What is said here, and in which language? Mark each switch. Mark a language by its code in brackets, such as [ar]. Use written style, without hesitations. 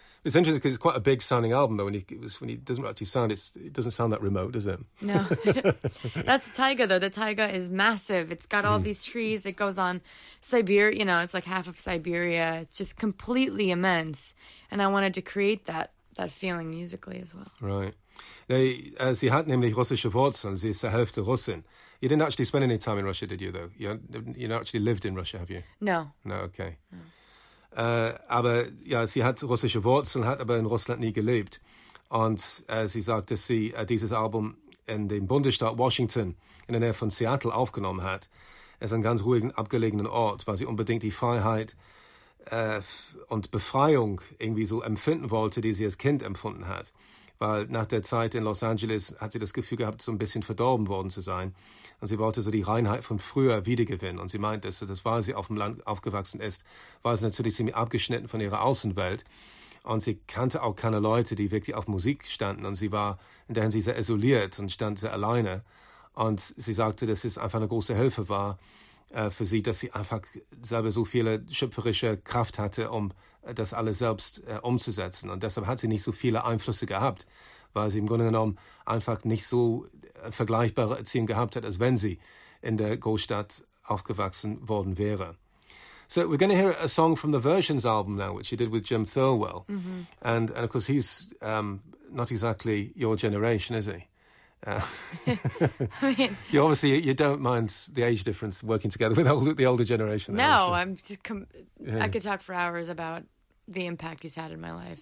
[en] It's interesting because it's quite a big sounding album, though, when it doesn't actually sound, it doesn't sound that remote, does it? No. That's Taiga, though. The Taiga is massive. It's got all these trees. It goes on Siberia, you know, it's like half of Siberia. It's just completely immense. And I wanted to create that feeling musically as well. Right. [de] Sie hat nämlich russische Wurzeln, sie ist zur Hälfte Russin. [en] You didn't actually spend any time in Russia, did you, though? You not actually lived in Russia, have you? No. No, okay. No. [de] Aber ja, sie hat russische Wurzeln, hat aber in Russland nie gelebt. Und sie sagt, dass sie dieses Album in dem Bundesstaat Washington in der Nähe von Seattle aufgenommen hat. Es ist ein ganz ruhigen, abgelegenen Ort, weil sie unbedingt die Freiheit und Befreiung irgendwie so empfinden wollte, die sie als Kind empfunden hat. Weil nach der Zeit in Los Angeles hat sie das Gefühl gehabt, so ein bisschen verdorben worden zu sein. Und sie wollte so die Reinheit von früher wiedergewinnen. Und sie meint, dass das, weil sie auf dem Land aufgewachsen ist, war sie natürlich ziemlich abgeschnitten von ihrer Außenwelt. Und sie kannte auch keine Leute, die wirklich auf Musik standen. Und sie war in der Hinsicht sehr isoliert und stand sehr alleine. Und sie sagte, dass es einfach eine große Hilfe war für sie, dass sie einfach selber so viele schöpferische Kraft hatte, um das alles selbst umzusetzen. Und deshalb hat sie nicht so viele Einflüsse gehabt, weil sie im Grunde genommen einfach nicht so vergleichbare Erziehung gehabt hat, als wenn sie in der Großstadt aufgewachsen worden wäre. [en] So we're going to hear a song from the Versions album now, which you did with Jim Thirlwell. Mm-hmm. And of course he's not exactly your generation, is he? you don't mind the age difference working together with the older generation. No, I'm just I could talk for hours about the impact he's had in my life.